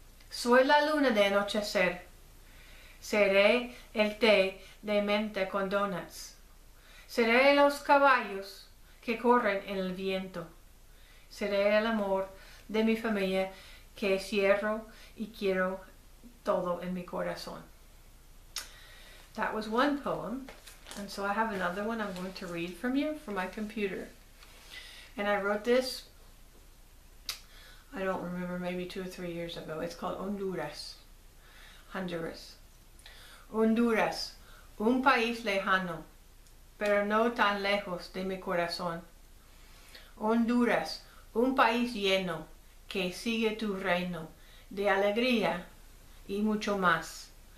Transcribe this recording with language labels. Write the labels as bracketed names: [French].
[Spanish] Soy la luna de anochecer. Seré el té de menta con donuts. Seré los caballos que corren en el viento. Seré el amor de mi familia que cierro y quiero todo en mi corazón. [English] That was one poem, and so I have another one I'm going to read from you from my computer. And I wrote this, I don't remember, maybe 2 or 3 years ago. It's called Honduras, Honduras. [Spanish] Honduras, un país lejano, pero no tan lejos de mi corazón. Honduras, un país lleno, que sigue tu reino de alegría y mucho más.